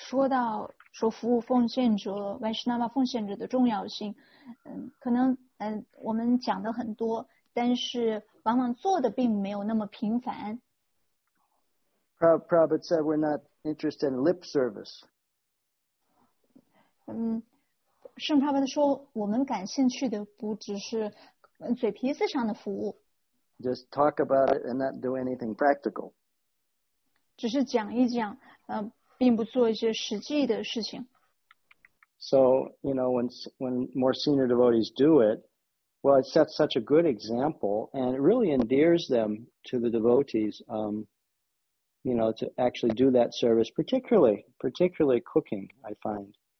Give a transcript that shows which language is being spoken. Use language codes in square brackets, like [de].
[zh] 在讲课的过程当中,我们也经常会说到服务奉献者, Vaishnava 奉献者的重要性, 可能, 我们讲的很多, 但是往往做的并没有那么频繁。 [en] Prabhupada said we're not interested in lip service. [zh] 圣帕巴的说,我们感兴趣的不只是嘴皮子上的服务。 [en] Just talk about it and not do anything practical. [zh] 只是讲一讲, 并不做一些实际的事情。 [en] So, you know, when more senior devotees do it, well, it sets such a good example and it really endears them to the devotees, you know, to actually do that service, particularly cooking, I find.